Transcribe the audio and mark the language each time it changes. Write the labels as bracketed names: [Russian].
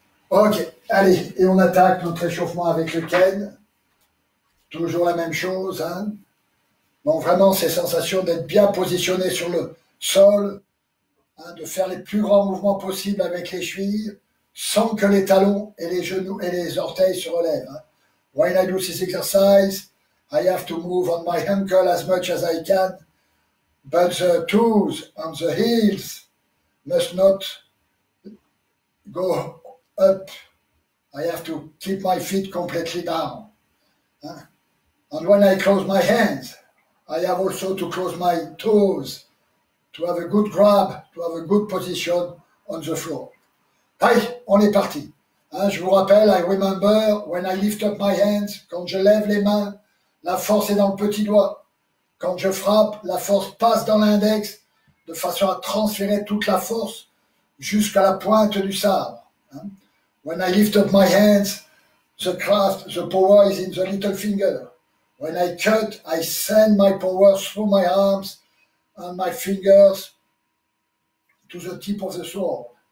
[French] Ok, allez, et on attaque notre échauffement avec le Ken. Toujours la même chose. Hein. Bon, vraiment, ces sensations d'être bien positionné sur le sol, hein, de faire les plus grands mouvements possibles avec les chevilles, sans que les talons et les genoux et les orteils se relèvent. Hein. [English] When I do this exercise, I have to move on my ankle as much as I can, but the toes on the heels must not go up. I have to keep my feet completely down. And when I close my hands, I have also to close my toes to have a good grab, to have a good position on the floor. [French] Allez, on est parti. Hein, je vous rappelle, [English] I remember when I lift up my hands, [French] quand je lève les mains, la force est dans le petit doigt. Quand je frappe, la force passe dans l'index de façon à transférer toute la force jusqu'à la pointe du sabre. Hein. [English] When I lift up my hands, the craft, the power is in the little finger. When I cut, I send my power through my arms and my fingers to the tip of the sword.